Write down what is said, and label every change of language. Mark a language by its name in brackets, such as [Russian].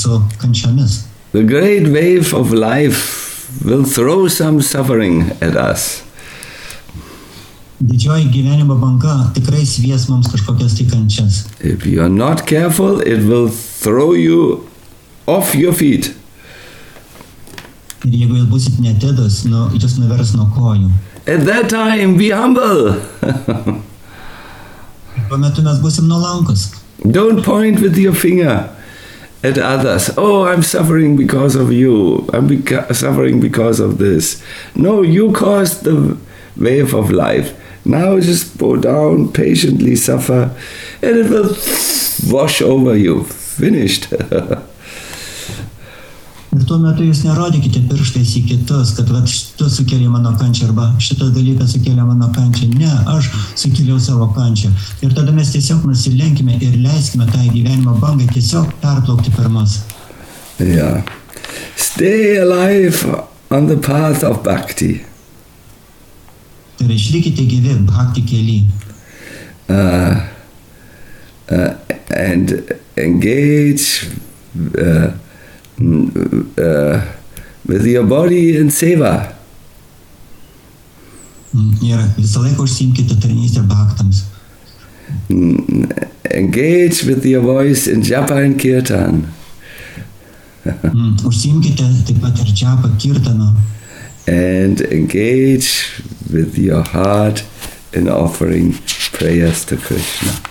[English] The great wave of life will throw some suffering at us. [Lithuanian] Didžioji gyvenimo banka tikrai svies mums kažkokias tai kančias. [English] If you are not careful, it will throw you off your feet. [Lithuanian] Ir jeigu jūs būsit netidus, jūs nuvers nuo kojų. [English] At that time, be humble. [Lithuanian] Tuo metu mes būsim nuolankus. [English] Don't point with your finger at others. Oh, I'm suffering because of you. I'm suffering because of this. No, you caused the wave of life. Now just bow down, patiently suffer, and it will wash over you. Finished. [Lithuanian] Ir tuo metu jūs nerodykite pirštais į kitus, kad vat tu sukėlė mano kančią, arba šitas dalykas sukėlė mano kančią. Ne, aš sukėliau savo kančią. Ir tada mes tiesiog nusilenkime ir leiskime tą gyvenimo bangą tiesiog perplaukti per mus. [English] Yeah. Stay alive on the path of bhakti. [Lithuanian] Ir išlikite gyvi bhakti kely. [English] And engage with your body in seva. [Lithuanian] Ir visą laiką užsiimkite tarnystę bhaktams. [English] Engage with your voice in japa and kirtan. [Lithuanian] Užsiimkite taip pat ir japa kirtano. [English] And engage with your heart in offering prayers to Krishna.